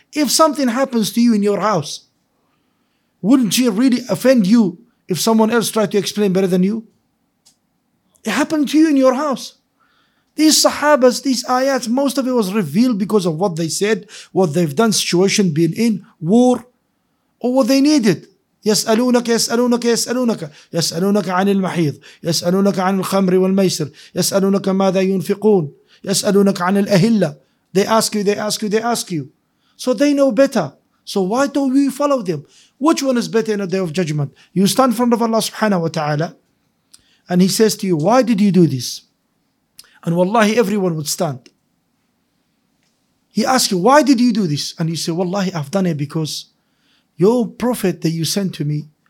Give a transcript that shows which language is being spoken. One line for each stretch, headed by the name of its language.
English: If something happens to you in your house, wouldn't she really offend you if someone else tried to explain better than you? It happened to you in your house. These sahabas, these ayats, most of it was revealed because of what they said, what they've done, situation being in, war, or what they needed.
Arabic: يسألونك يسألونك يسألونك يسألونك عن المحيض يسألونك عن الخمر والميسر يسألونك ماذا ينفقون يسألونك عن الأهلة.
English: They ask you, they ask you, they ask you. So they know better. So why don't we follow them? Which one is better in the day of judgment? You stand in front of Allah subhanahu wa ta'ala and he says to you, why did you do this? And wallahi, everyone would stand. He asks you, why did you do this? And you say, wallahi, I've done it because your prophet that you sent to me,